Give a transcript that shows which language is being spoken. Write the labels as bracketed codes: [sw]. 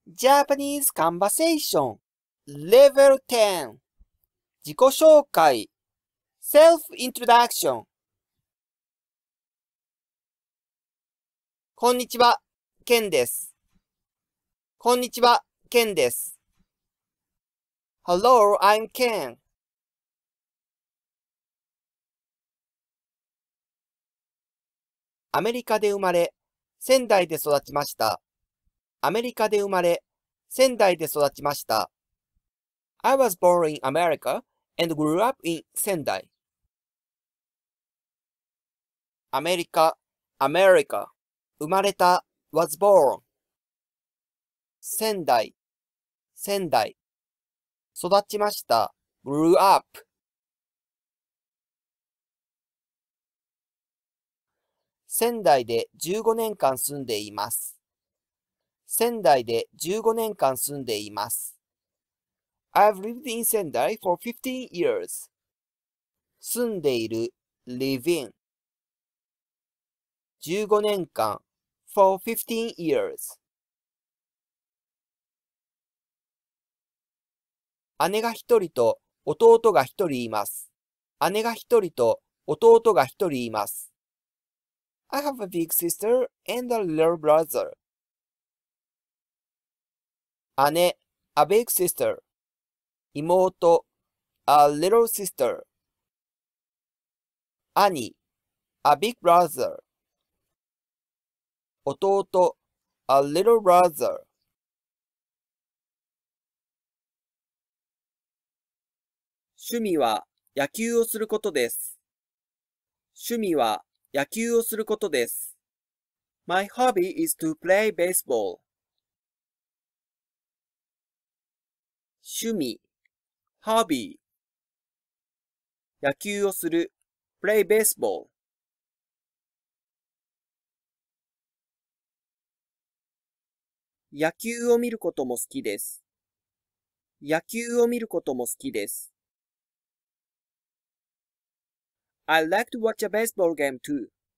[en] Japanese conversation, level 10. [ja] 自己紹介, self-introduction. こんにちは、ケンです。こんにちは、ケンです。 [en] Hello, I'm Ken. [ja] アメリカで生まれ、仙台で育ちました。アメリカで生まれ、仙台で育ちました。 [en] I was born in America and grew up in 仙台。 [ja] アメリカ、アメリカ、生まれた、 [en] was born。 [ja] 仙台、仙台、育ちました、 [en] grew up。 [ja] 仙台で15年間住んでいます。仙台で15年間住んでいます。 [en] I've lived in 仙台 for 15 years. [ja] 住んでいる living. [en] 15年間 for 15 years. [ja] 姉が一人と弟が一人います。姉が一人と弟が一人います。 [en] I have a big sister and a little brother. [ja] 姉, [en] a big sister. [ja] 妹, [en] a little sister. [ja] 兄, [en] a big brother. [ja] 弟, [en] a little brother. [ja] 趣味は野球をすることです。趣味は野球をすることです。 [en] My hobby is to play baseball. [ja] 趣味、 [en] ハビー、 [ja] 野球をする、 [en] プレイベースボール。 [ja] 野球を見ることも好きです。野球を見ることも好きです。 [en] I like to watch a baseball game too.